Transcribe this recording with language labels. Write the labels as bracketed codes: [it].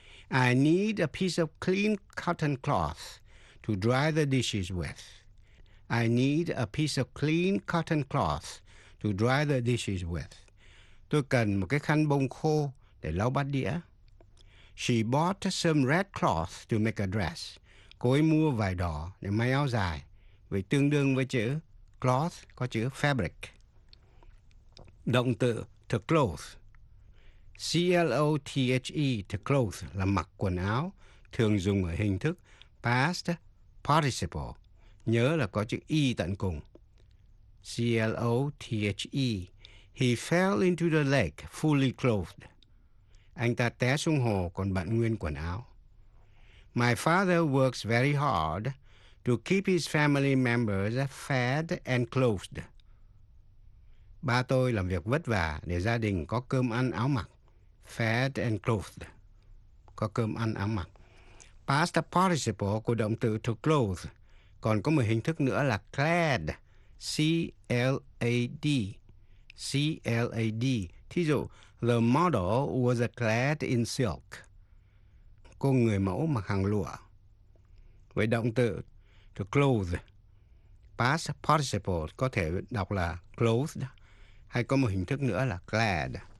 [en] I need a piece of clean cotton cloth to dry the dishes with. I need a piece of clean cotton cloth to dry the dishes with. [vi] Tôi cần một cái khăn bông khô để lau bát đĩa. [en] She bought some red cloth to make a dress. [vi] Cô ấy mua vải đỏ để may áo dài. Vậy tương đương với chữ cloth có chữ fabric. Động từ to clothe. C-L-O-T-H-E, to clothe, là mặc quần áo, thường dùng ở hình thức past participle. Nhớ là có chữ E tận cùng. C-L-O-T-H-E. [en] He fell into the lake fully clothed. [vi] Anh ta té xuống hồ còn bận nguyên quần áo. [en] My father works very hard to keep his family members fed and clothed. [vi] Ba tôi làm việc vất vả để gia đình có cơm ăn áo mặc. [en] Fed and clothed. [vi] Có cơm ăn áo mặc. Past participle của động từ to clothe. Còn có một hình thức nữa là clad. [en] C-L-A-D. C-L-A-D. [vi] Thí dụ, [en] the model was clad in silk. [vi] Cô người mẫu mặc hàng lụa. Với động từ to clothe, past participle có thể đọc là clothed, hay có một hình thức nữa là clad.